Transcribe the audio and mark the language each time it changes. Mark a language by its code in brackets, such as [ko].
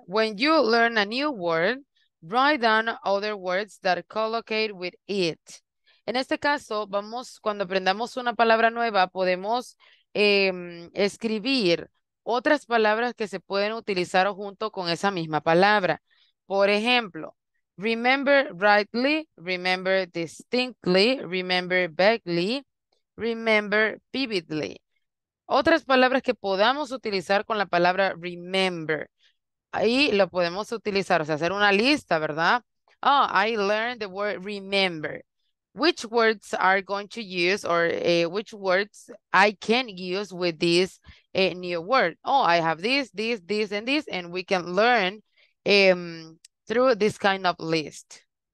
[en] When you learn a new word, write down other words that collocate with it. [es] En este caso, vamos, cuando aprendamos una palabra nueva, podemos escribir otras palabras que se pueden utilizar junto con esa misma palabra. Por ejemplo, [en] remember rightly, remember distinctly, remember vaguely, remember vividly. [es] Otras palabras que podamos utilizar con la palabra remember. Ahí lo podemos utilizar, o sea, hacer una lista, ¿verdad? [en] Oh, I learned the word remember. Which words are going to use or which words I can use with this new word? Oh, I have this, this, this, and this, and we can learn through this kind of list.